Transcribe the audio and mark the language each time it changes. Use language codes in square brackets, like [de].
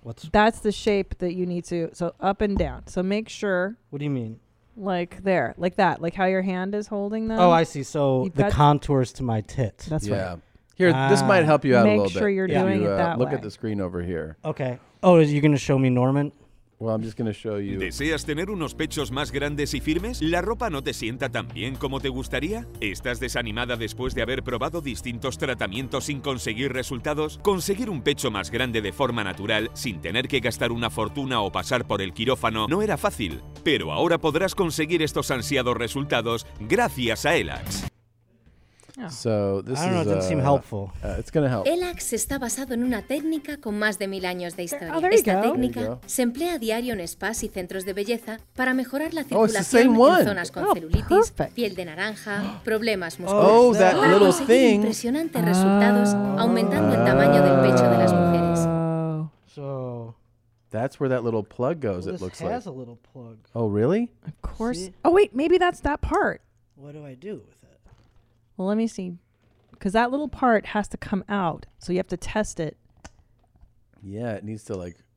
[en] That's the shape that you need to. So up and down. So make sure. What do you mean? Like there. Like that. Like how your hand is holding them. Oh, I see. So the contours to my tit. That's right. Yeah. Here, this might help you out a little bit. Make sure you're doing it that way. Look at the screen over here. Okay. Oh, are you going to show me Norman? Well, I'm just going to show you. [es] ¿Deseas tener unos pechos más grandes y firmes? ¿La ropa no te sienta tan bien como te gustaría? ¿Estás desanimada después de haber probado distintos tratamientos sin conseguir resultados? Conseguir un pecho más grande de forma natural, sin tener que gastar una fortuna o pasar por el quirófano, no era fácil. Pero ahora podrás conseguir estos ansiados resultados gracias a Elax. [en] So this I don't know, it didn't seem helpful. It's going to help. [es] Elax está basado en una técnica con más de 1,000 años de historia. [en] There, oh, there [es] esta [en] go. [es] Técnica se emplea a diario en spas y centros de belleza para mejorar la circulación en zonas con celulitis, piel de naranja, problemas musculares. [en] Oh, that little thing. [es] Impresionantes resultados aumentando el tamaño del pecho de las mujeres. [en] So that's where that little plug goes, well, it looks like. This has a little plug. Oh, really? Of course. See? Oh, wait, maybe that's that part. What do I do? Well, let me see, because that little part has to come out, so you have to test it. Yeah, it needs to, like...